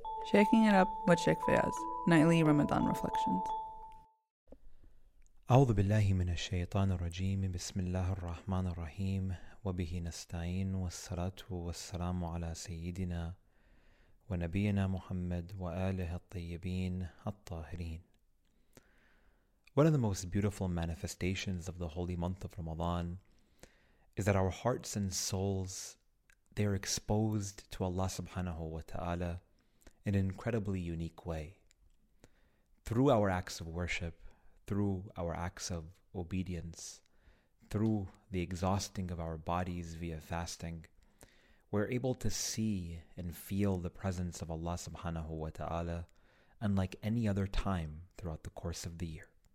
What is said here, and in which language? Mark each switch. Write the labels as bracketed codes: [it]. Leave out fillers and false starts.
[en] Shaking it up with Sheikh Fayaz, Nightly Ramadan Reflections. [ar] أعوذ بالله من الشيطان الرجيم بسم الله الرحمن الرحيم وبه نستعين والصلاة والسلام على سيدنا ونبينا محمد وآله الطيبين الطاهرين. [en] One of the most beautiful manifestations of the holy month of Ramadan is that our hearts and souls, they are exposed to Allah subhanahu wa ta'ala in an incredibly unique way. Through our acts of worship, through our acts of obedience, through the exhausting of our bodies via fasting, we're able to see and feel the presence of Allah subhanahu wa ta'ala unlike any other time throughout the course of the year.